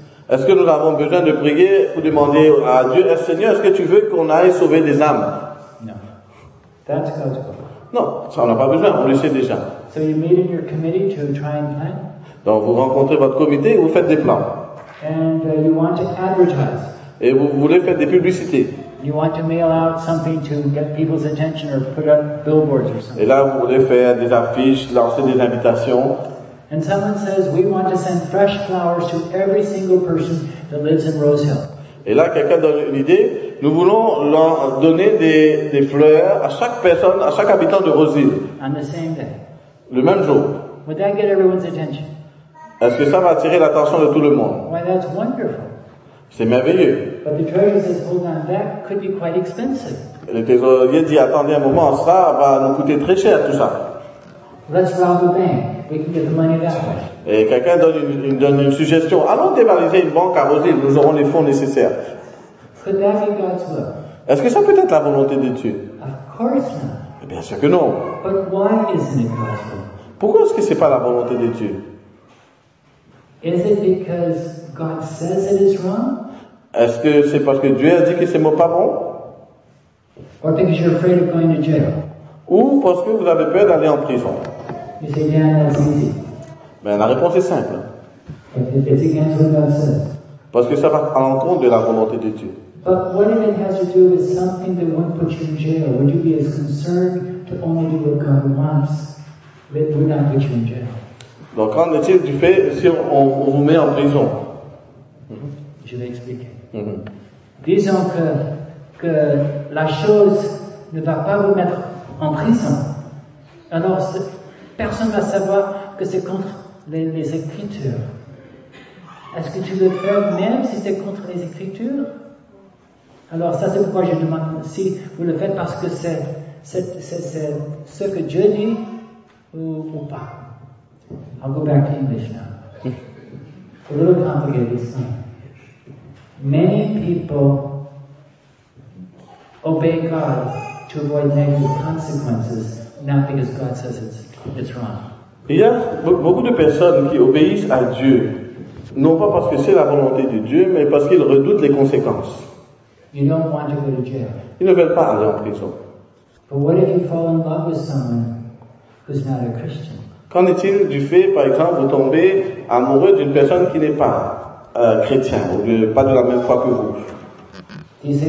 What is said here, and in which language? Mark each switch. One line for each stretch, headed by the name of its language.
French: Est-ce que nous avons besoin de prier pour demander à Dieu, « Seigneur, est-ce que tu veux qu'on aille sauver des âmes ?» Non, ça on n'a pas besoin, on le sait déjà.
English: So you meet in your committee to try and plan.
French: Donc vous rencontrez votre comité et vous faites des plans.
English: And, you want to advertise.
French: Et vous voulez faire des publicités.
English: You want to mail out something to get people's attention or put up billboards or something.
French: Et là, vous voulez faire des affiches, lancer des invitations.
English: And someone says, we want to send fresh flowers to every single person that lives in Rose Hill.
French: Et là, quelqu'un donne une idée. Nous voulons leur donner des fleurs à chaque personne, à chaque habitant de Rose Hill.
English: On the same day.
French: Le même jour.
English: Would that get everyone's attention?
French: Est-ce que ça va attirer l'attention de tout le monde?
English: Why, that's wonderful.
French: C'est merveilleux.
English: But the treasurer says, hold on, that could be quite expensive.
French: Et le trésorier dit, attendez un moment, ça va nous coûter très cher tout ça.
English: Let's rob a bank. We can get the money that way.
French: Et quelqu'un donne une suggestion. Allons dévaliser une banque à Rosy, nous aurons les fonds nécessaires.
English: Could that be God's will?
French: Est-ce que ça peut être la volonté de Dieu?
English: Of course not.
French: Et bien sûr que non.
English: But why isn't it God's will?
French: Pourquoi est-ce que c'est pas la volonté de Dieu?
English: Is it because God says it is wrong?
French: Est-ce que c'est parce que Dieu a dit que c'est pas bon?
English: Or because you're afraid of going to jail?
French: Ou parce que vous avez peur d'aller en prison?
English: You say, yeah, that's easy.
French: Ben, la réponse est simple.
English: It's against what God says.
French: Parce que ça va à l'encontre de la volonté de Dieu.
English: But what if it has to do with something that won't put you in jail? Would you be as concerned to only do what God wants, but would not put you in jail?
French: Donc, qu'en est-il du fait si on vous met en prison? Je vais expliquer. Disons que la chose ne va pas vous mettre en prison. Alors, personne ne va savoir que c'est contre les Écritures. Est-ce que tu veux faire même si c'est contre les Écritures? Alors, ça, c'est pourquoi je demande si vous le faites parce que c'est ce que Dieu dit ou pas.
English: I'll go back to English now. It's a little complicated, this time. Many people obey God to avoid negative consequences, not because God says it's wrong.
French: Il y a beaucoup de personnes qui obéissent à Dieu, non pas parce que c'est la volonté de Dieu, mais parce qu'ils redoutent les conséquences.
English: You don't want to go to jail.
French: Ils ne veulent pas aller en prison.
English: But what if you fall in love with someone who's not a Christian?
French: Qu'en est-il du fait, par exemple, vous tombez amoureux d'une personne qui n'est pas chrétien, ou pas de la même foi que vous?